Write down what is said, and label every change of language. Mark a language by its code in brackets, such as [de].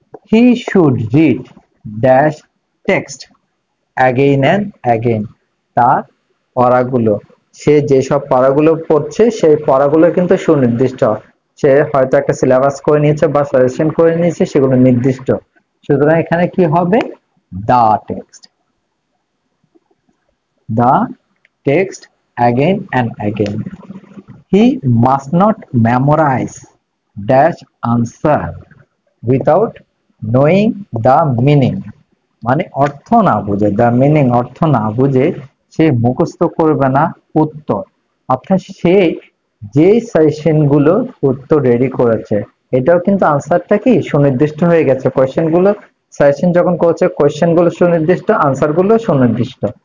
[en] he should read dash text again and again, [bn] তার পড়াগুলো, সে যেসব পড়াগুলো পড়ছে সেই পড়াগুলো কিন্তু সুনির্দিষ্ট, সে হয়তো একটা সিলেবাস করে নিয়েছে বা সাজেশন করে নিয়েছে, সেগুলো নির্দিষ্ট। সুতরাং এখানে কি হবে? দা text. [en] the text again and again. He must not memorize dash answer without knowing the meaning. [bn] মানে অর্থ না বুঝে, [en] the meaning [bn] অর্থ না বুঝে সে মুখস্থ করবে না উত্তর। অর্থাৎ সে যে সেশন গুলো উত্তর রেডি করেছে এটাও কিন্তু আনসারটা কি সুনির্দিষ্ট হয়ে গেছে। কোয়েশ্চেন গুলো সেশন যখন করেছে কোয়েশ্চেন গুলো সুনির্দিষ্ট, আনসার গুলো সুনির্দিষ্ট।